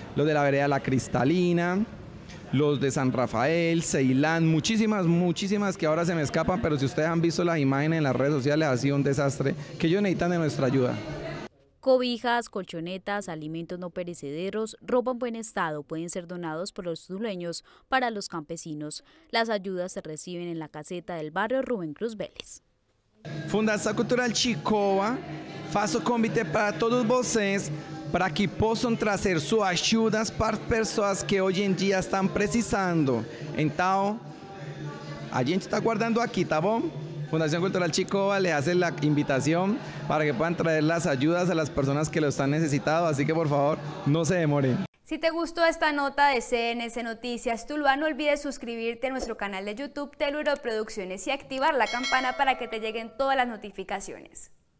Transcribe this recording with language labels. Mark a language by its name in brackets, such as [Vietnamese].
[Spanish] Los de la vereda La Cristalina, los de San Rafael, Ceilán, muchísimas que ahora se me escapan, pero si ustedes han visto las imágenes en las redes sociales, ha sido un desastre, que ellos necesitan de nuestra ayuda. Cobijas, colchonetas, alimentos no perecederos, ropa en buen estado pueden ser donados por los tulueños para los campesinos. Las ayudas se reciben en la caseta del barrio Rubén Cruz Vélez. [Portuguese] Fundación Cultural Chicoa, faço convite para todos vocês, para que possam trazer suas ajudas para pessoas que hoje em dia estão precisando. Então, a gente está guardando aqui, tá bom? [Spanish] Fundación Cultural Chicoa le hace la invitación para que puedan traer las ayudas a las personas que lo están necesitando, así que por favor, no se demoren. Si te gustó esta nota de CNS Noticias Tuluá, no olvides suscribirte a nuestro canal de YouTube Teluro Producciones y activar la campana para que te lleguen todas las notificaciones.